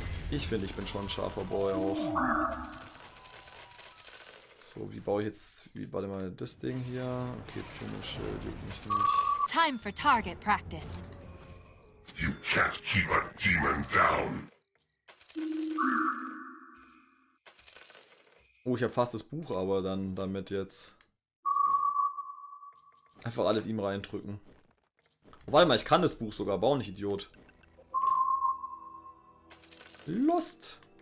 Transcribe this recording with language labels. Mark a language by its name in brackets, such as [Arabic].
[German] Ich finde, ich bin schon ein scharfer Boy auch. So, wie baue ich jetzt, warte mal, das Ding hier. Okay, Pyramid-Schild, juckt mich nicht. [English] Time for target practice. You can't keep a demon down. [German] Oh, ich habe fast das Buch, aber dann damit jetzt. Einfach alles ihm reindrücken. Oh, warte mal, ich kann das Buch sogar bauen, ich Idiot. Lust!